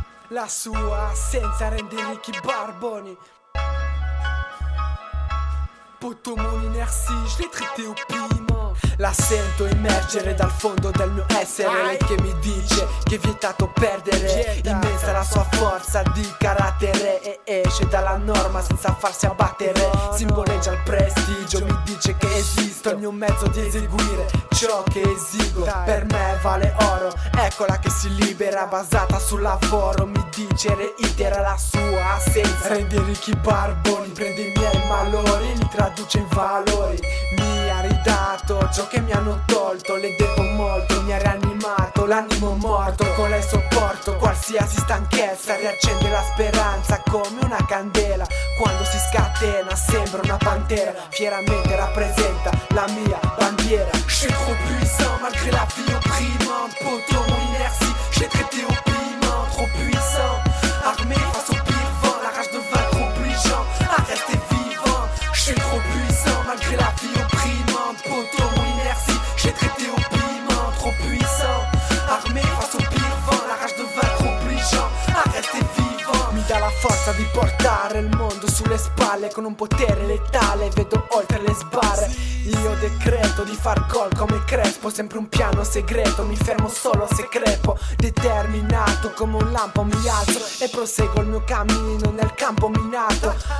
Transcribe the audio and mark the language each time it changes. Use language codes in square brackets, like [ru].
[it] La sua assenza rende ricchi barboni. [fr] Poto mon inertie, je l'ai traité au piment. [it] La sento emergere dal fondo del mio essere. Lei che mi dice che è vietato perdere. Immensa la sua forza di carattere. E esce dalla norma senza farsi abbattere. Simboleggia il prestigio, mi dice che esisto. Il mio mezzo di eseguire ciò che esigo. Per me vale oro, eccola che si libera. Basata sul lavoro, mi dice reitera la sua assenza. Rende ricchi barboni, prende i miei malori. Traduce in valori, mi ha ridato ciò che mi hanno tolto. Le devo molto, mi ha rianimato l'animo morto. Con lei sopporto qualsiasi stanchezza. Riaccende la speranza come una candela. Quando si scatena sembra una pantera. Fieramente rappresenta la mia bandiera. [fr] Je suis trop puissant malgré la vie opprimante. Poto mon inertie, j'ai traité au piment. Trop puissant, armé face au pire vent. La rage de vaincre obligeant à rester. Je suis trop puissant malgré la vie opprimante. Poto mon inertie, j'ai traité au piment. Trop puissant, armé face au pire vent. La rage de vaincre obligeant à rester vivant. [it] Mi dà la forza di portare il mondo sulle spalle. Con un potere letale vedo oltre le sbarre. Io decreto di far gol come Crespo. Sempre un piano segreto, mi fermo solo se crepo. Determinato come un lampo mi alzo e proseguo il mio cammino nel campo minato.